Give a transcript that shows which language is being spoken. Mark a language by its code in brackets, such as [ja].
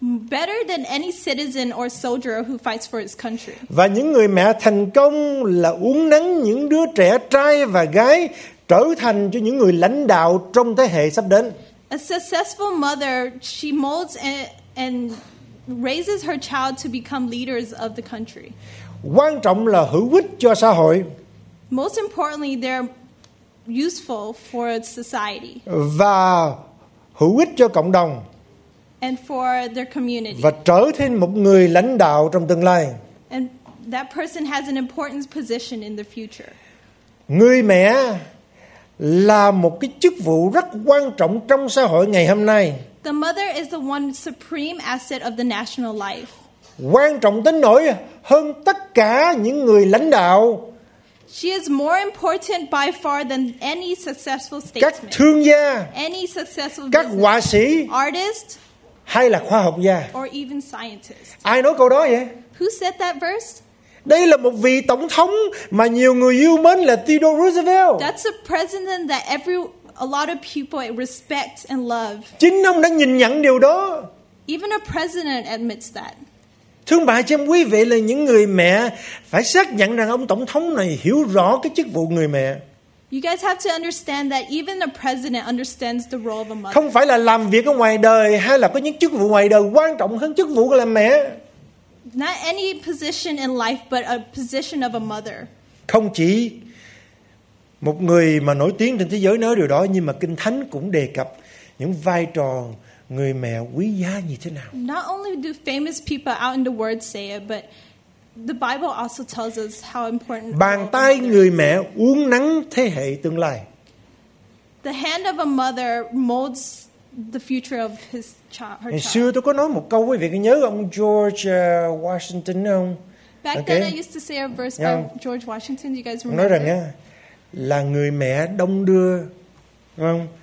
[en] Better than any citizen or soldier who fights for his country. [vi] Và những người mẹ thành công là uống nắng những đứa trẻ trai và gái trở thành cho những người lãnh đạo trong thế hệ sắp đến. [en] A successful mother, she molds and raises her child to become leaders of the country. [vi] Quan trọng là hữu ích cho xã hội. [en] Most importantly, they're useful for society. [vi] Và hữu ích cho cộng đồng. [en] And for their community. [vi] Và trở thành một người lãnh đạo trong tương lai. [en] And that person has an important position in the future. [vi] Người mẹ là một cái chức vụ rất quan trọng trong xã hội ngày hôm nay. [en] The mother is the one supreme asset of the national life. [vi] Quan trọng đến nỗi hơn tất cả những người lãnh đạo. [en] She is more important by far than any successful statesman. [vi] Các thương gia. [en] Any successful [vi] các [en] business, [vi] họa sĩ. [en] Artist. [vi] Hay là khoa học gia. [en] Or even scientist. [vi] Ai nói câu đó vậy? [en] Who said that verse? [vi] Đây là một vị tổng thống mà nhiều người yêu mến là Theodore Roosevelt. [en] That's a president that a lot of people respect and love. [vi] Chính ông đã nhìn nhận điều đó. [en] Even a president admits that. [vi] Thương bà cho em quý vị là những người mẹ phải xác nhận rằng ông tổng thống này hiểu rõ cái chức vụ người mẹ. [en] You guys have to understand that even a president understands the role of a mother. [vi] Không phải là làm việc ở ngoài đời hay là có những chức vụ ngoài đời quan trọng hơn chức vụ làm mẹ. [en] Not any position in life, but a position of a mother. [vi] Không chỉ một người mà nổi tiếng trên thế giới nói điều đó, nhưng mà Kinh Thánh cũng đề cập những vai trò người mẹ quý giá như thế nào. [en] Not only do famous people out in the world say it, but the Bible also tells us how important. [vi] Bàn tay người mẹ uống nắng thế hệ tương lai. [en] The hand of a mother molds the future of his child. [vi] Ngày xưa tôi có nói một câu, quý vị có nhớ ông George Washington không? [en] Back okay. Then I used to say a verse by George Washington. You guys remember? [vi] Nói rằng là người mẹ đông đưa, không?